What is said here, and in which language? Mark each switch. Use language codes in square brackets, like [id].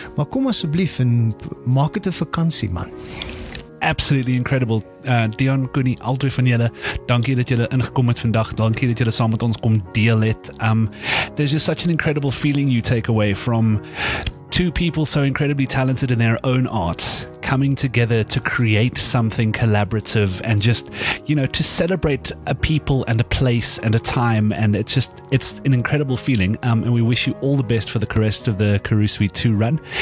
[af] Maar kom asseblief en maak het 'n vakansie, man. [en] Absolutely incredible. [af] Dion, Koenie, al twee van julle, dankie dat julle ingekom het vandag, dankie dat julle saam met ons kom deel het. [en] There's just such an incredible feeling you take away from two people so incredibly talented in their own art coming together to create something collaborative and just, you know, to celebrate a people and a place and a time. And it's just, it's an incredible feeling. And we wish you all the best for the rest of the Karoo Suite 2 run.